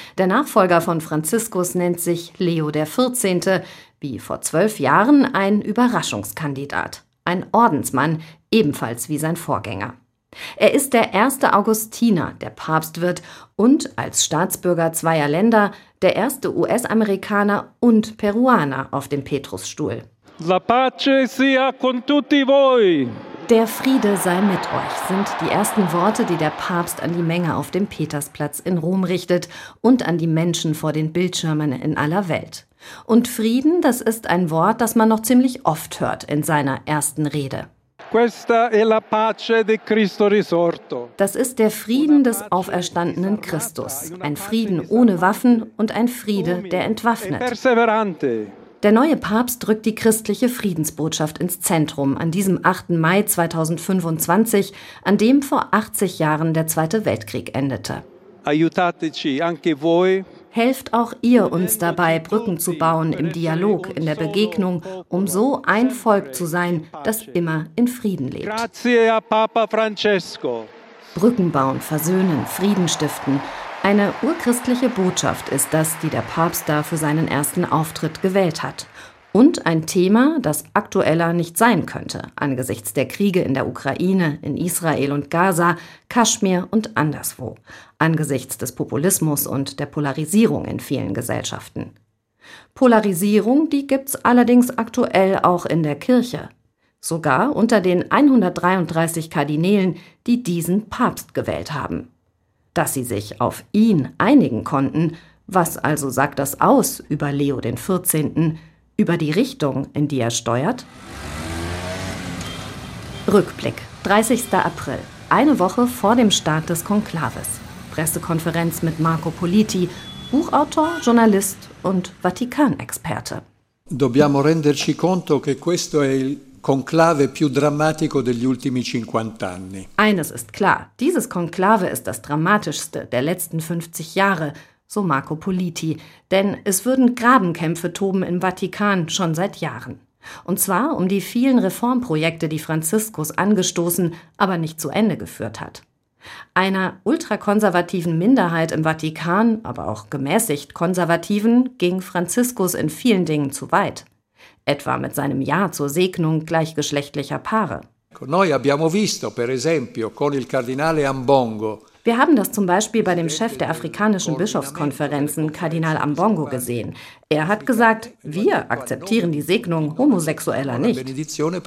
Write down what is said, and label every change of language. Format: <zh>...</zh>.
<de>Der Nachfolger von Franziskus nennt sich Leo XIV., wie vor 12 Jahren ein Überraschungskandidat. Ein Ordensmann, ebenfalls wie sein Vorgänger. Er ist der erste Augustiner, der Papst wird, und als Staatsbürger zweier Länder der erste US-Amerikaner und Peruaner auf dem Petrusstuhl.</de> <it>La pace sia con tutti voi.</it> <de>Der Friede sei mit euch, sind die ersten Worte, die der Papst an die Menge auf dem Petersplatz in Rom richtet und an die Menschen vor den Bildschirmen in aller Welt. Und Frieden, das ist ein Wort, das man noch ziemlich oft hört in seiner ersten Rede.</de> <it>Questa è la pace di Cristo risorto.</it> <de>Das ist der Frieden des auferstandenen Christus. Ein Frieden ohne Waffen und ein Friede, der entwaffnet.</de> <it>Perseverante.</it> <de>Der neue Papst drückt die christliche Friedensbotschaft ins Zentrum an diesem 8. Mai 2025, an dem vor 80 Jahren der Zweite Weltkrieg endete.</de> <it>Aiutateci anche voi.</it> <de>Helft auch ihr uns dabei, Brücken zu bauen im Dialog, in der Begegnung, um so ein Volk zu sein, das immer in Frieden lebt.</de> <it>Grazie a Papa Francesco.</it> <de>Brücken bauen, versöhnen, Frieden stiften. Eine urchristliche Botschaft ist das, die der Papst da für seinen ersten Auftritt gewählt hat. Und ein Thema, das aktueller nicht sein könnte, angesichts der Kriege in der Ukraine, in Israel und Gaza, Kaschmir und anderswo, angesichts des Populismus und der Polarisierung in vielen Gesellschaften. Polarisierung, die gibt's allerdings aktuell auch in der Kirche. Sogar unter den 133 Kardinälen, die diesen Papst gewählt haben. Dass sie sich auf ihn einigen konnten, was also sagt das aus über Leo XIV., über die Richtung, in die er steuert? Rückblick, 30. April, eine Woche vor dem Start des Konklaves. Pressekonferenz mit Marco Politi, Buchautor, Journalist und Vatikanexperte.</de> <it>Dobbiamo renderci conto che questo è il conclave più drammatico degli ultimi 50 anni.</it> <de>Eines ist klar, dieses Konklave ist das dramatischste der letzten 50 Jahre, so Marco Politi, denn es würden Grabenkämpfe toben im Vatikan schon seit Jahren. Und zwar um die vielen Reformprojekte, die Franziskus angestoßen, aber nicht zu Ende geführt hat. Einer ultrakonservativen Minderheit im Vatikan, aber auch gemäßigt Konservativen, ging Franziskus in vielen Dingen zu weit. Etwa mit seinem Ja zur Segnung gleichgeschlechtlicher Paare.</de> <it>Noi abbiamo visto, per esempio, con il cardinale Ambongo.</it> <de>Wir haben das zum Beispiel bei dem Chef der afrikanischen Bischofskonferenzen, Kardinal Ambongo, gesehen. Er hat gesagt, wir akzeptieren die Segnung Homosexueller nicht.</de>